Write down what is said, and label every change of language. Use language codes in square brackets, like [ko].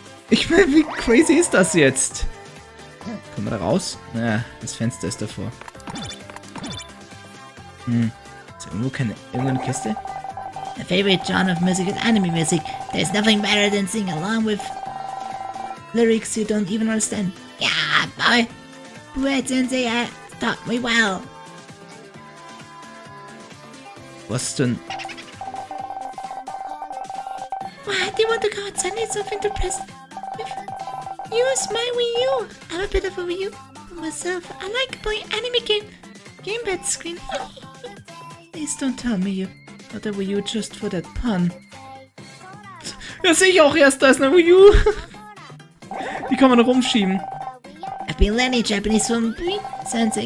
[de] Ich meine, wie crazy ist das jetzt? Kommen wir da raus? Naja, das Fenster ist davor. Ist irgendwo keine irgendeine Kiste? [en] My favorite genre of music is anime music. There's nothing better than singing along with lyrics you don't even understand. Yeah, boy! Red Sensei taught me well. [de] Was denn? [en] Why do you want to go and send yourself into prison? Use my Wii U. I have a bit of a Wii U for myself. I like playing anime game bed screen. Please don't tell me you got a Wii U just for that pun. [de] Ja, sehe ich auch erst, da ist eine Wii U. Die kann man noch rumschieben. [en] I've been learning Japanese from Sensei.